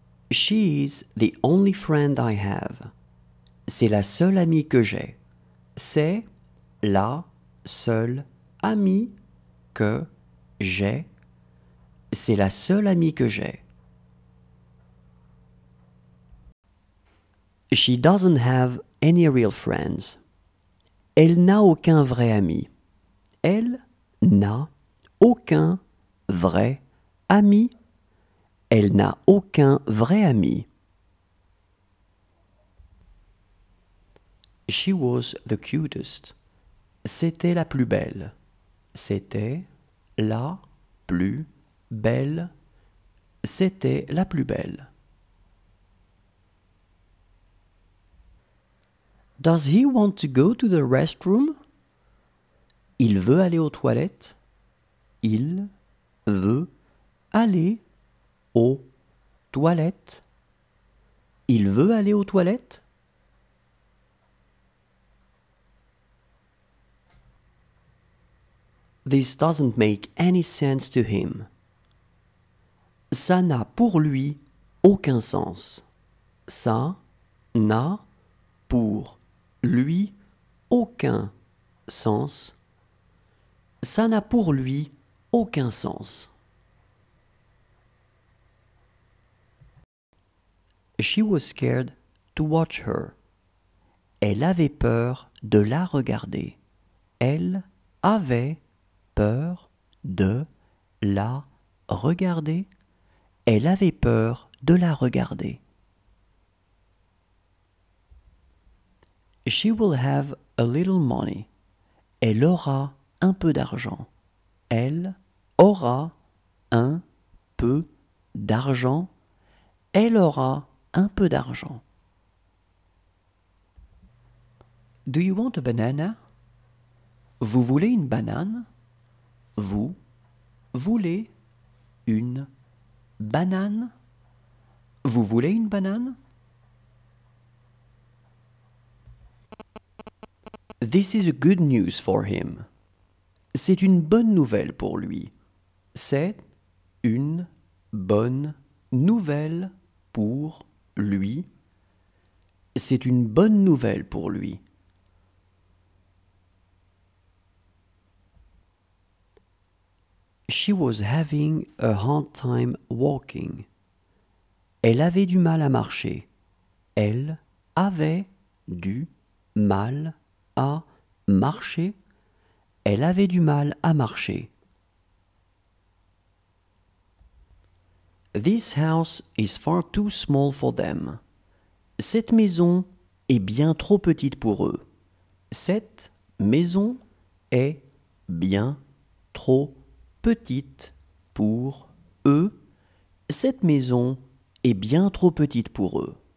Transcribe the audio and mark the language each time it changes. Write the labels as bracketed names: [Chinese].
[English] She is the only friend I have. [French] C'est la seule amie que j'ai. C'est la seule amie que j'ai. C'est la seule amie que j'ai. [English] She doesn't have any real friends. [French] Elle n'a aucun vrai ami. Elle n'a aucun vrai ami. Elle n'a aucun vrai ami. [English] She was the cutest. [French] C'était la plus belle. C'était la plus belle. C'était la plus belle. [English] Does he want to go to the restroom? [French] Il veut aller aux toilettes. Il veut aller aux toilettes. Il veut aller aux toilettes. [English] This doesn't make any sense to him. [French] Ça n'a pour lui aucun sens. Ça n'a pour lui aucun sens. Ça n'a pour lui aucun sens. [English] She was scared to watch her. [French] Elle avait peur de la regarder. Elle avait peur de la regarder. Elle avait peur de la regarder. [English] She will have a little money. [French] Elle aura un peu d'argent. Elle aura un peu d'argent. Elle aura un peu d'argent. [English] Do you want a banana? [French] Vous voulez une banane? Vous voulez une banane? Vous voulez une banane? [English] This is a good news for him. [French] C'est une bonne nouvelle pour lui. C'est une bonne nouvelle pour lui. C'est une bonne nouvelle pour lui. [English] She was having a hard time walking. [French] Elle avait du mal à marcher. Elle avait du mal à marcher. Elle avait du mal à marcher. [English] This house is far too small for them. [French] Cette maison est bien trop petite pour eux. Cette maison est bien trop petite pour eux. Cette maison est bien trop petite pour eux.